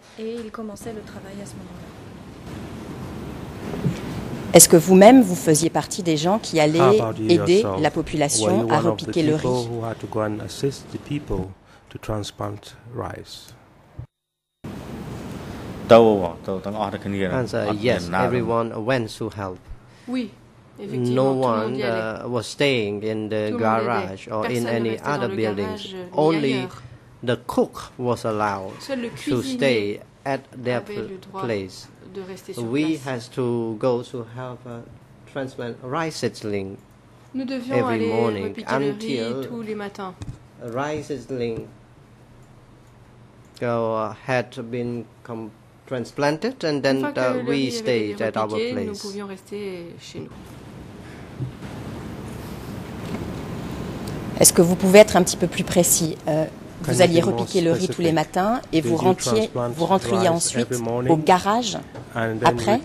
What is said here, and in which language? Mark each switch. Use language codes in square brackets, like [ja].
[fr] Et ils commençaient le travail à ce moment-là. Est-ce que vous-même, vous faisiez partie des gens qui allaient aider la population à repiquer le riz? [en] Who had to go and assist the people to transplant rice? Answer, yes, everyone went to help. [fr] Oui, [en] no one was staying in the garage or in any other buildings. Only the cook was allowed to stay at their place. We had to go to help transplant rice seedling every morning until rice seedling had been completed. Transplanted and then we stayed at our place. [fr] Est-ce que vous pouvez être un petit peu plus précis? Vous alliez repiquer le riz tous les matins et vous rentriez ensuite au garage après?